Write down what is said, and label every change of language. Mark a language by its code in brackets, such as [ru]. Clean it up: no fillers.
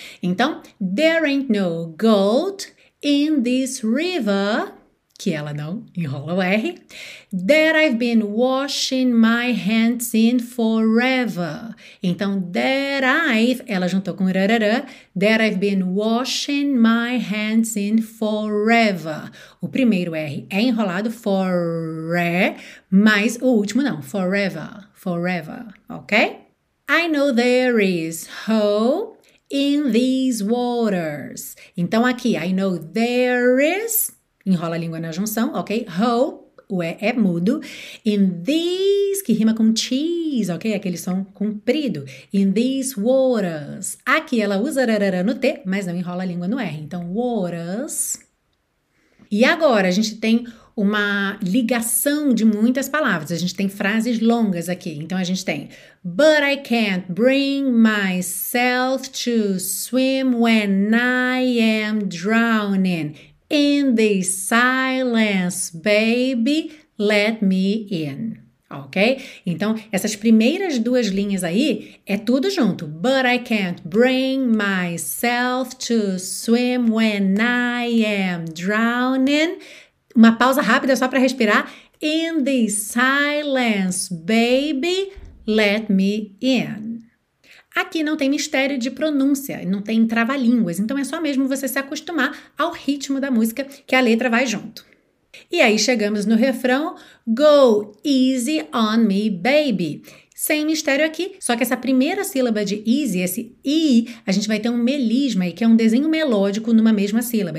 [en] Então, there ain't no gold in this river, [pt] que ela não enrola o R, [en] that I've been washing my hands in forever. [pt] Então, ela juntou com rararã, [en] that I've been washing my hands in forever. [pt] O primeiro R é enrolado, forever, mas o último não, forever, forever, ok? [en] I know there is hope in these waters. [pt] Então, aqui, [en] I know there is, [pt] enrola a língua na junção, ok? Ho, o E é mudo. [en] In these, [pt] que rima com cheese, ok? Aquele som comprido. In these waters. Aqui ela usa rarara no T, mas não enrola a língua no R. Então, waters. E agora a gente tem uma ligação de muitas palavras. A gente tem frases longas aqui. Então a gente tem: [en] But I can't bring myself to swim when I am drowning. In the silence, baby, let me in. Ok? [pt] Então, essas primeiras duas linhas aí é tudo junto. [en] But I can't bring myself to swim when I am drowning. [pt] Uma pausa rápida só para respirar. [en] In the silence, baby, let me in. [pt] Aqui não tem mistério de pronúncia, não tem trava-línguas, então é só mesmo você se acostumar ao ritmo da música que a letra vai junto. E aí chegamos no refrão: [en] Go easy on me, baby. [pt] Sem mistério aqui, só que essa primeira sílaba de easy, esse i, a gente vai ter um melisma aí, que é um desenho melódico numa mesma sílaba.